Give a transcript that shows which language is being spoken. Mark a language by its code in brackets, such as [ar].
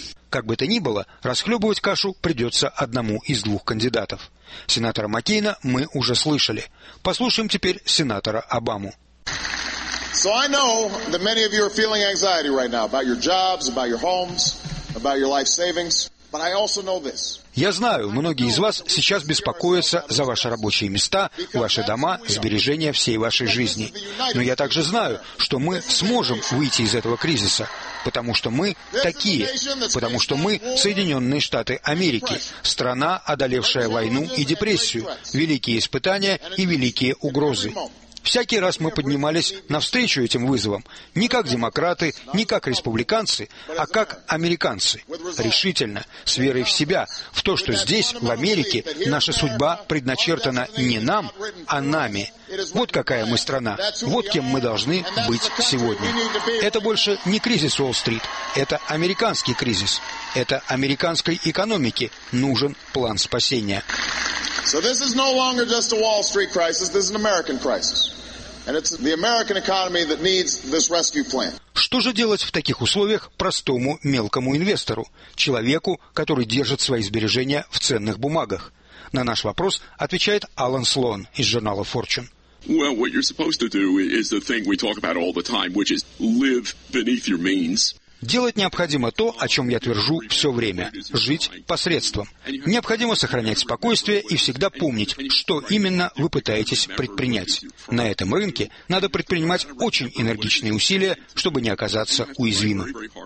[ru] Как бы то ни было, расхлебывать кашу придется одному из двух кандидатов. Сенатора Маккейна мы уже слышали. Послушаем теперь сенатора Обаму. [en] So I know that many of you are feeling anxiety right now about your jobs, about your homes, about your life savings. But I also know this. [ru] Я знаю, многие из вас сейчас беспокоятся за ваши рабочие места, ваши дома, сбережения всей вашей жизни. Но я также знаю, что мы сможем выйти из этого кризиса, потому что мы такие, потому что мы Соединенные Штаты Америки, страна, одолевшая войну и депрессию, великие испытания и великие угрозы. Всякий раз мы поднимались навстречу этим вызовам, не как демократы, не как республиканцы, а как американцы. Решительно, с верой в себя, в то, что здесь, в Америке, наша судьба предначертана не нам, а нами. Вот какая мы страна, вот кем мы должны быть сегодня. Это больше не кризис Уолл-стрит, это американский кризис. Это американской экономике нужен план спасения. [en] So this is no longer just a Wall Street crisis, this is an American crisis. And it's the American economy that needs this rescue plan. [ru] Что же делать в таких условиях простому мелкому инвестору, человеку, который держит свои сбережения в ценных бумагах? На наш вопрос отвечает Алан Слоан из журнала Fortune. [en] Well, what you're supposed to do is the thing we talk about all the time, which is live beneath your means. [ru] Делать необходимо то, о чем я твержу все время – жить посредством. Необходимо сохранять спокойствие и всегда помнить, что именно вы пытаетесь предпринять. На этом рынке надо предпринимать очень энергичные усилия, чтобы не оказаться уязвимым.